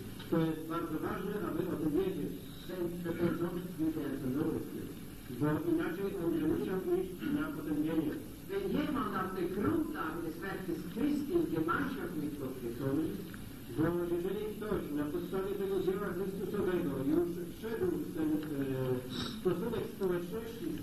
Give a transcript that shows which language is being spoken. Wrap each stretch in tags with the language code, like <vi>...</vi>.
<pl>To jest bardzo ważne, aby o tym wiedzieć. Bo inaczej on nie musiał iść na potępienie.</pl> <de>Wenn jemand auf der Grundlage des Werkes Christi in Gemeinschaft mit Gott gekommen ist,</de> <pl>bo jeżeli ktoś na podstawie tego dzieła Chrystusowego już wszedł w ten stosunek społeczności z</pl>